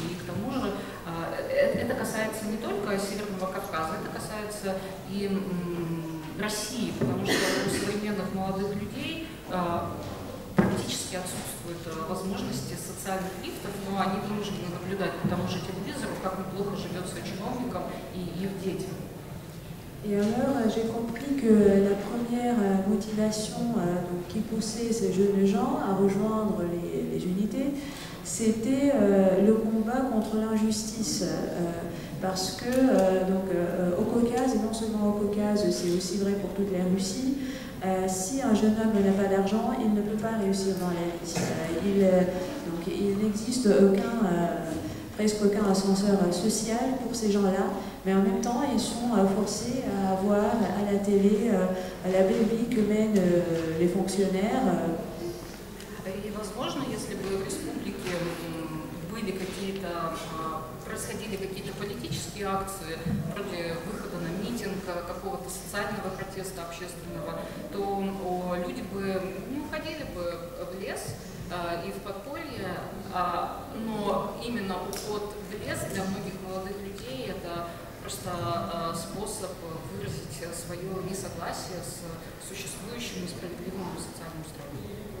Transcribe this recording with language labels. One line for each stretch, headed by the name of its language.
Russian: И к тому же это касается не только Северного Кавказа, это касается и России, потому что у современных молодых людей практически отсутствуют возможности социальных лифтов, но они вынуждены наблюдать по тому же телевизору, как неплохо живется чиновникам и их детям.
French: Et alors, j'ai compris que la première motivation donc, qui poussait ces jeunes gens à rejoindre les unités, c'était le combat contre l'injustice. Parce que, au Caucase, et non seulement au Caucase, c'est aussi vrai pour toute la Russie, si un jeune homme n'a pas d'argent, il ne peut pas réussir dans la vie. Il n'existe aucun, presque aucun ascenseur social pour ces gens-là, mais en même temps, ils sont forcés à voir à la télé la belle vie que mènent les fonctionnaires.
Russian: И возможно, если бы в республике были какие-то, происходили какие-то политические акции, вроде выхода на митинг, какого-то социального протеста общественного, то люди бы не уходили бы в лес и в подполье, но именно уход в лес для многих молодых людей – это просто способ выразить свое несогласие с существующим несправедливым социальным строем.